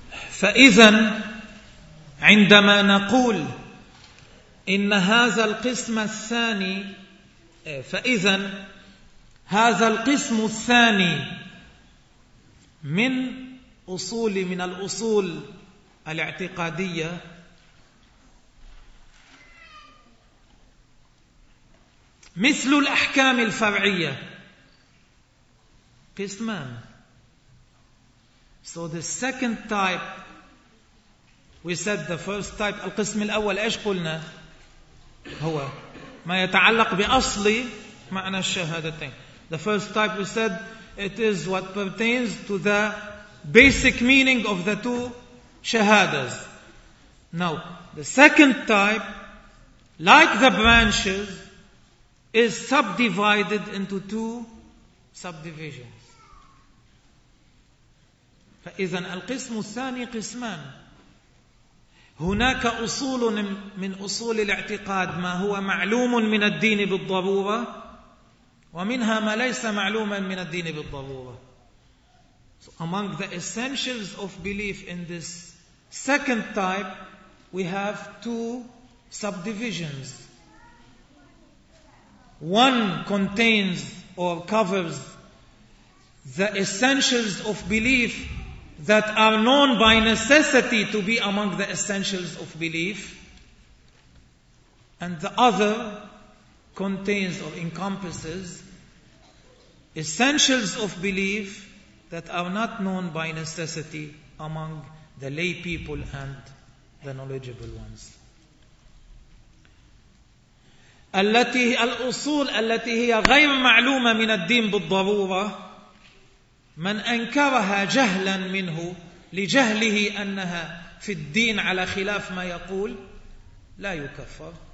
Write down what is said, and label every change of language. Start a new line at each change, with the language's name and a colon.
Arabic: فإذا عندما نقول إن هذا القسم الثاني فإذا هذا القسم الثاني من أصول من الأصول الاعتقادية مثل الأحكام الفرعية قسمان.
English: So the second type, we said the first type,
Arabic: القسم الأول إيش قلنا؟ هو ما يتعلق بأصل معنى الشهادتين.
English: The first type we said, it is what pertains to the basic meaning of the two shahadas. Now, the second type, like the branches, is subdivided into two subdivisions.
Arabic: فإذن القسم الثاني قسمان. هناك أصول من أصول الاعتقاد ما هو معلوم من الدين بالضرورة ومنها ما ليس معلوما من الدين بالضرورة.
English: So among the essentials of belief in this second type, we have two subdivisions. One contains or covers the essentials of belief that are known by necessity to be among the essentials of belief. And the other contains or encompasses essentials of belief that are not known by necessity among the lay people and the knowledgeable ones.
Arabic: التي الأصول التي هي غير معلومة من الدين بالضرورة من أنكرها جهلا منه لجهله أنها في الدين على خلاف ما يقول لا يكفر.